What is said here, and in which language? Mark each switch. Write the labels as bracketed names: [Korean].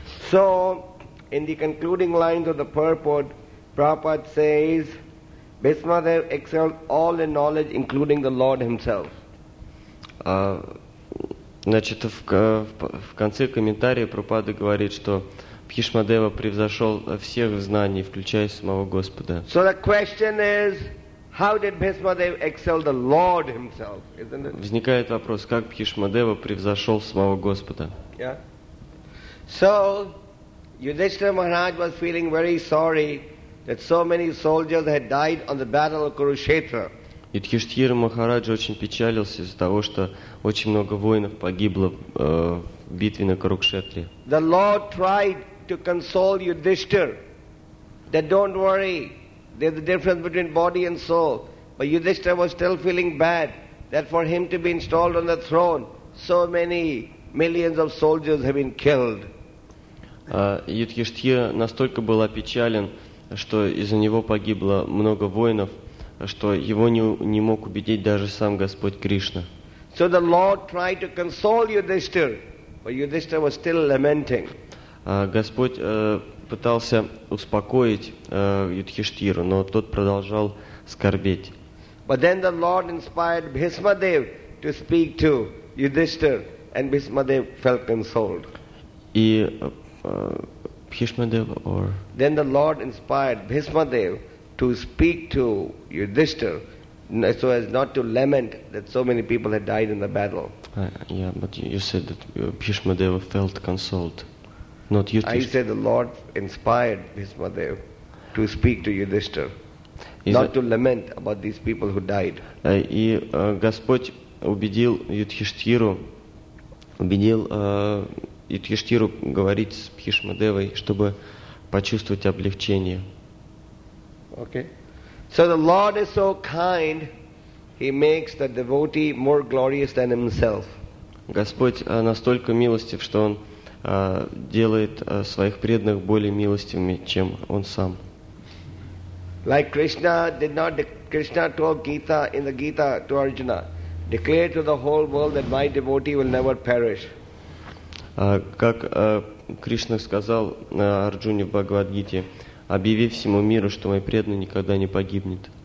[English] So, in the concluding lines of the purport, Prabhupada says, Bhishma Dev excelled all in knowledge, including the Lord Himself. [Russian] Значит, в конце комментария Прабхупада говорит, что Бхишма Дева превзошел всех в знании, включая самого Господа. [English] So the question is, how did Bhishma Dev excel the Lord Himself, isn't it? [Russian] Возникает вопрос, как Бхишма Дева превзошел самого Господа. [English] Yeah. So, Yudhishthira Maharaj was feeling very sorry that so many soldiers had died on the battle of Kurukshetra. [Russian] Yudhishthira Maharaj очень печалился из-за того, что очень много воинов погибло в битве на Курукшетре. [English] The Lord tried to console Yudhishthira that don't worry, there's a difference between body and soul. But Yudhishthira was still feeling bad that for him to be installed on the throne, so many millions of soldiers have been killed. [Russian] Юдхиштхира настолько был опечален, что из-за него погибло много воинов, что его не мог убедить даже сам Господь Кришна. [English] So the Lord tried to console Yudhishthira, but Yudhishthira was still lamenting. [Russian] Господь пытался успокоить Юдхиштхиру, но тот продолжал скорбеть. [English] But then the Lord inspired Bhishma Dev to speak to Yudhishthira, and Bhishma Dev felt consoled. [Russian] И [English] Bhishma Dev or then the Lord inspired Bhishma Dev to speak to Yudhishthira so as not to lament that so many people had died in the battle. Yeah, but you said that Bhishma Dev felt consoled, not Yudhishthira. I said the Lord inspired Bhishma Dev to speak to Yudhishthira, not to lament about these people who died. [Russian] И Господь убедил Юдхиштхиру, убедил Юдхиштхиру говорить с Бхишма Девой, чтобы почувствовать облегчение. [English] Okay. So the Lord is so kind, He makes the devotee more glorious than Himself. [Russian] Господь настолько милостив, что Он делает своих преданных более милостивыми, чем Он сам. [English] Like Krishna did not, Krishna told Gita in the Gita to Arjuna, declare to the whole world that my devotee will never perish. [Russian] Как Кришна сказал Арджуне в Бхагавад-гите, объяви всему миру, что мой преданный никогда не погибнет.